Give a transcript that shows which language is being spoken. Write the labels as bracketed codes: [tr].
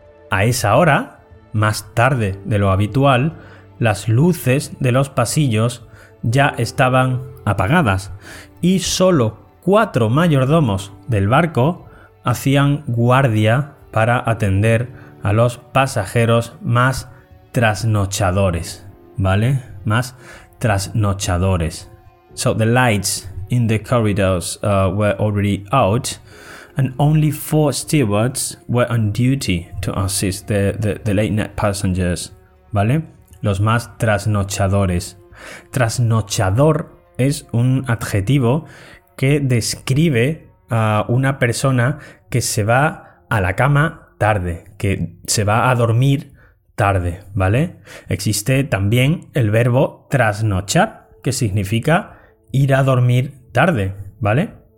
[es] A esa hora, más tarde de lo habitual, las luces de los pasillos ya estaban apagadas y solo 4 mayordomos del barco hacían guardia para atender a los pasajeros más trasnochadores, ¿vale? Más trasnochadores. [en] So the lights in the corridors were already out, and only 4 stewards were on duty to assist the late night passengers, [es] ¿vale? Los más trasnochadores. Trasnochador es un adjetivo que describe a una persona que se va a la cama tarde, que se va a dormir tarde, ¿vale? Existe también el verbo trasnochar, que significa ir a dormir tarde, ¿vale?